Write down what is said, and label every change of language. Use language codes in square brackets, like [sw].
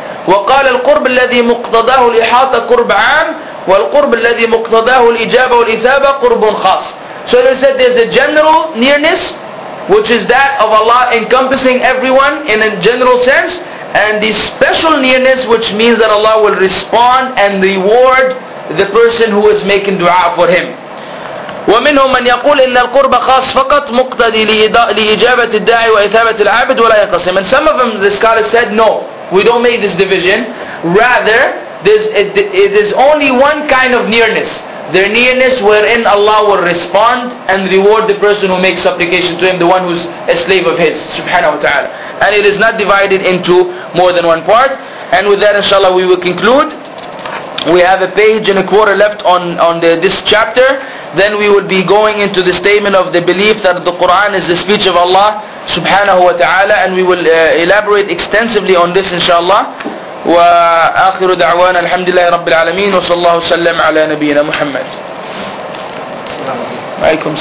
[ar] وَقَالَ الْقُرْبُ الَّذِي مُقْتَضَاهُ الْإِحَاطَ قُرْبَ عَامٍ وَالْقُرْبُ الَّذِي مُقْتَضَاهُ الْإِجَابَةُ وَالْإِثَابَةُ قُرْبٌ خَاصٌ. [en] So they said there's a general nearness, which is that of Allah encompassing everyone in a general sense, and the special nearness, which means that Allah will respond and reward the person who is making dua for him. [ar] ومنهم من يقول إن القرب خاص فقط مقتدي لإجابة الداعي وإثابة العبد ولا يقسم. [en] And some of them, the scholars said, no, we don't make this division. Rather, it is only one kind of nearness. The nearness wherein Allah will respond and reward the person who makes supplication to Him, the one who's a slave of His, subhanahu wa ta'ala. And it is not divided into more than one part. And with that, inshallah, we will conclude. We have a page and a quarter left on this chapter. Then we would be going into the statement of the belief that the Quran is the speech of Allah, [ar] سبحانه وتعالى. [en] And we will elaborate extensively on this inshallah. [ar] وآخر دعوانا الحمد لله رب العالمين وصلى الله وسلم على نبينا محمد. عليكم السلام.